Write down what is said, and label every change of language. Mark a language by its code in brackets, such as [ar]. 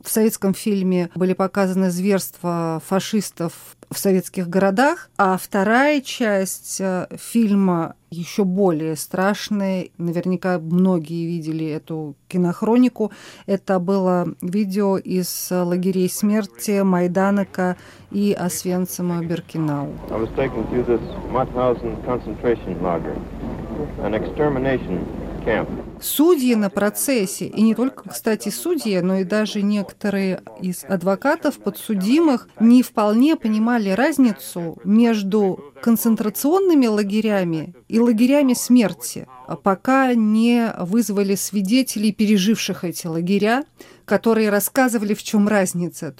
[ru] В советском фильме были показаны зверства фашистов в советских городах, а вторая часть фильма еще более страшная. Наверняка многие видели эту кинохронику. Это было видео из лагерей смерти Майданека и Освенцима Биркенау. [en] I was taken to this Mauthausen concentration lager, an extermination camp. [ru] Судьи на процессе, и не только, кстати, судьи, но и даже некоторые из адвокатов подсудимых не вполне понимали разницу между концентрационными лагерями и лагерями смерти, пока не вызвали свидетелей, переживших эти лагеря, которые рассказывали, в чем разница.